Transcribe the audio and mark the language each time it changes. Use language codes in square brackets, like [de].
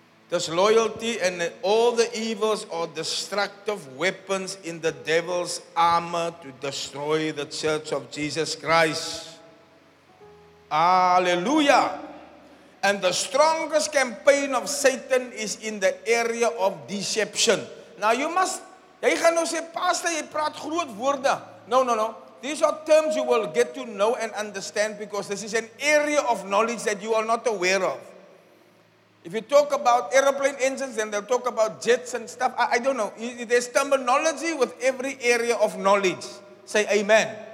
[en] Disloyalty and all the evils are destructive weapons in the devil's armor to destroy the church of Jesus Christ. Hallelujah. And the strongest campaign of Satan is in the area of deception. Now you must... [af] Jy gaan nou sê, pastor, jy praat groot woorde. [en] No, no, no. These are terms you will get to know and understand because this is an area of knowledge that you are not aware of. If you talk about airplane engines, then they'll talk about jets and stuff. I don't know. There's terminology with every area of knowledge. Say amen. Amen.